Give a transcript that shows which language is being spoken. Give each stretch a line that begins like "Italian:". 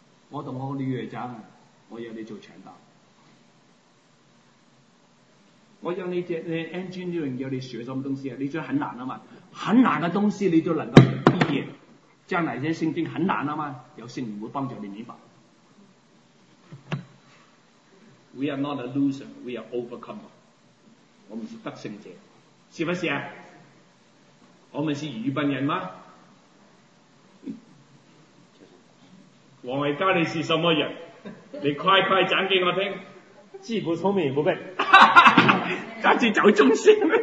Chinese: 我同我女儿讲，我要你做传道，我要你这 engineering 要你学什么东西啊？你觉得很难了嘛？很难的东西你都能够理解，将来这些圣经很难了吗？有圣灵会帮助你明白。
English: We are not a loser, we are overcomer。
Chinese: 我们是得胜者，是不是啊？我们是愚笨人吗？我们家里是什么人？你快快讲给我听。既不聪明也不笨。他去找中心。